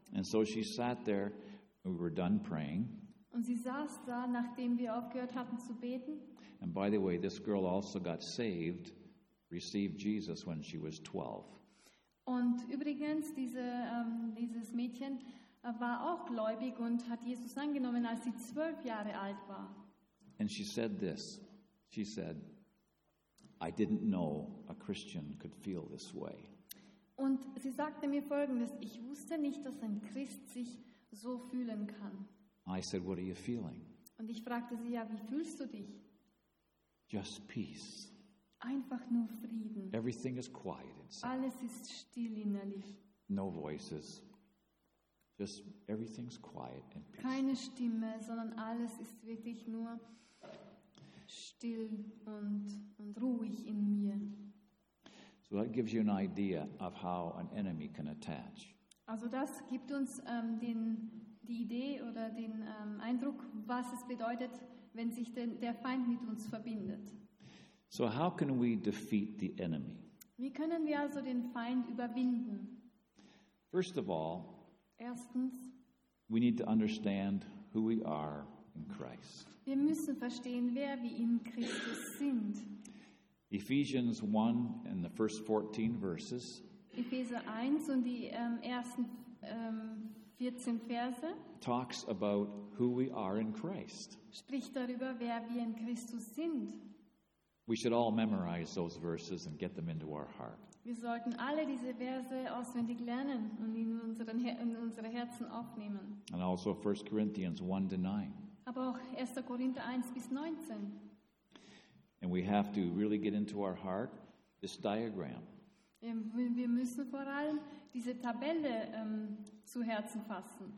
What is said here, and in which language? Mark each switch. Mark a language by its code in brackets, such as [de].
[en] And so she sat there, we were done praying. [de] Und sie saß da, nachdem wir aufgehört hatten zu beten. [en] And by the way, this girl also got saved, received Jesus when she was 12. [de] Und übrigens, dieses Mädchen war auch gläubig und hat Jesus angenommen, als sie 12 Jahre alt war. [en] And she said this. She said, I didn't know a Christian could feel this way. [de] Und sie sagte mir Folgendes, ich wusste nicht, dass ein Christ sich so fühlen kann. [en] I said, what are you feeling? [de] Und ich fragte sie, ja, wie fühlst du dich? [en] Just peace. [de] Einfach nur Frieden. [en] Everything is quiet inside. [de] Alles ist still innerlich. [en] No voices. Just everything's quiet and peace. [de] Keine Stimme, sondern alles ist wirklich nur still und ruhig in mir. [en] So that gives you an idea of how an enemy can attach. [de] Also das gibt uns die Idee oder den Eindruck, was es bedeutet, wenn sich der Feind mit uns verbindet. [en] So how can we defeat the enemy? [de] Wie können wir also den Feind überwinden? [en] First of all, [de] erstens, [en] we need to understand who we are in Christ. [de] Wir müssen verstehen, wer wir in Christus sind. [en] Ephesians 1 and the first 14 verses. [de] Epheser 1 und die ersten 14 Verse [en] talks about who we are in Christ. [de] Spricht darüber, wer wir in Christus sind. [en] We should all memorize those verses and get them into our heart. [de] Wir sollten alle diese Verse auswendig lernen und in unsere Herzen aufnehmen. [en] And also 1 Corinthians 1-9. [de] Aber auch 1. Korinther 1-19. [en] And we have to really get into our heart this diagram. [de] Wir müssen vor allem diese Tabelle zu Herzen fassen.